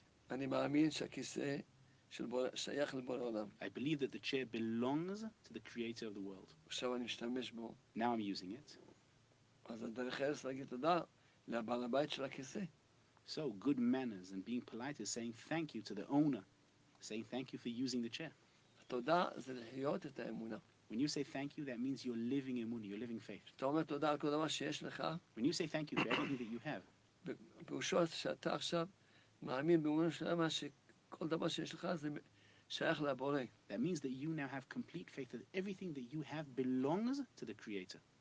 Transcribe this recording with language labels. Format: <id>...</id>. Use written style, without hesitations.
<he>אני מאמין שהכיסא שייך לבורא עולם.</he> <en>I believe that the chair belongs to the creator of the world.</en> <he>עכשיו אני משתמש בו.</he> <en>Now I'm using it.</en> <he>אז הדרך הרס להגיד תודה לבעל הבית של הכיסא.</he> <en>So good manners and being polite is saying thank you to the owner, saying thank you for using the chair.</en> <he>תודה זה לחיות את האמונה.</he> <en>When you say thank you, that means you're living Emuna, you're living faith. When you say thank you for everything that you have, that means that you now have complete faith that everything that you have belongs to the Creator.</en>